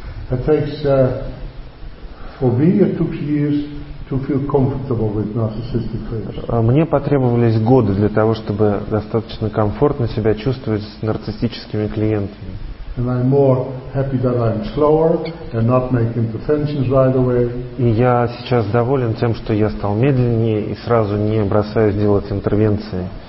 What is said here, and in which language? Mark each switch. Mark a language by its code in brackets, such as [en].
[en] It takes for me it took years to feel comfortable with narcissistic clients. [ru] Мне потребовались годы для того, чтобы достаточно комфортно себя чувствовать с нарциссическими клиентами. [en] And I'm more happy that I'm slower and not making pretensions right away. [ru] И я сейчас доволен тем, что я стал медленнее и сразу не бросаюсь делать интервенции.